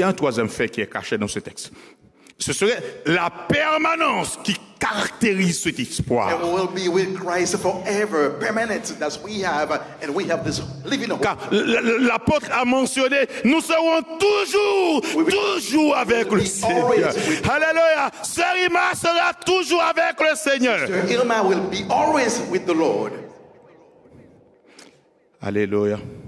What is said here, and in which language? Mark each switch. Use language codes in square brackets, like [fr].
[fr] y a un troisième fait qui est caché dans ce texte. Ce serait la permanence qui caractérise cet espoir. [en] And we'll be with Christ forever, permanent, that we have, and we have this living hope. [fr] Car l'apôtre a mentionné, nous serons toujours, toujours avec le Seigneur. Alléluia. Sœur Irma sera toujours avec le Seigneur. [en] Sœur Irma will be always with the Lord. [fr] Alléluia.